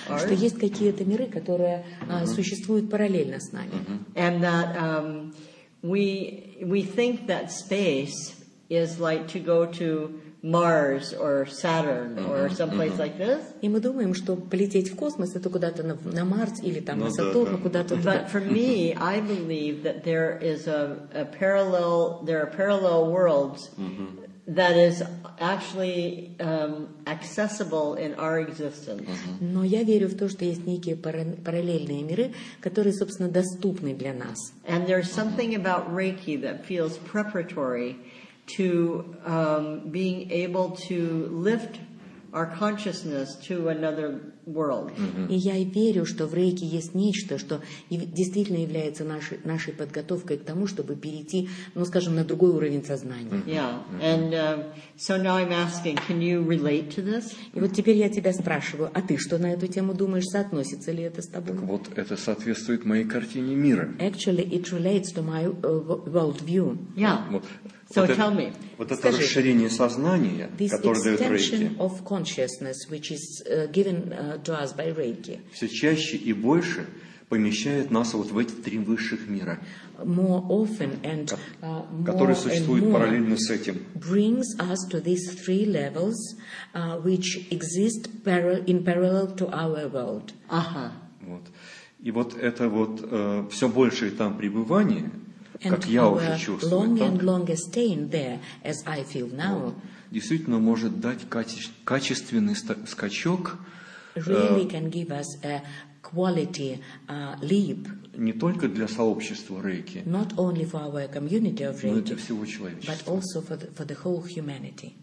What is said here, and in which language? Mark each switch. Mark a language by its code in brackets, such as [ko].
[ru] Что есть какие-то миры, которые существуют параллельно с нами. [en] And that we think that space is like to go to Mars or Saturn or someplace like this. [ru] И мы думаем, что полететь в космос — это куда-то на Марс или там на Сатурн, куда-то туда. [en] But for me, I believe that there are parallel worlds that is actually accessible in our existence. [ru] Но я верю в то, что есть некие параллельные миры, которые, собственно, доступны для нас. [en] And there's something about Reiki that feels preparatory to being able to lift our consciousness to another world. [ru] И я верю, что в Рейке есть нечто, что действительно является нашей подготовкой к тому, чтобы перейти, ну, скажем, на другой уровень сознания. [en] Yeah. And so now I'm asking, can you relate to this? [ru] И вот теперь я тебя спрашиваю, а ты что на эту тему думаешь, соотносится ли это с тобой? Так вот, это соответствует моей картине мира. [en] Actually, it relates to my world view. Yeah. So tell me. [ru] Вот это расширение сознания, которое дает Рейки. [en] This extension of consciousness, which is given to us by Reiki. [ru] Все чаще и больше помещает нас вот в эти три высших мира, [en] more often and, [ru] которые существуют [en] and more [ru] параллельно с этим. [en] Brings us to these three levels, which exist in parallel to our world. [ru] Ага. Вот. И вот это вот все большее там пребывание, как я уже чувствую, [en] longer and longer staying there, as I feel now, вот, [ru] действительно может дать качественный скачок. [en] Really can give us a quality leap. [ru] Не только для сообщества Рейки, [en] not only for our community of Reiki, [ru] но и для всего человечества, [en] but also for the whole humanity.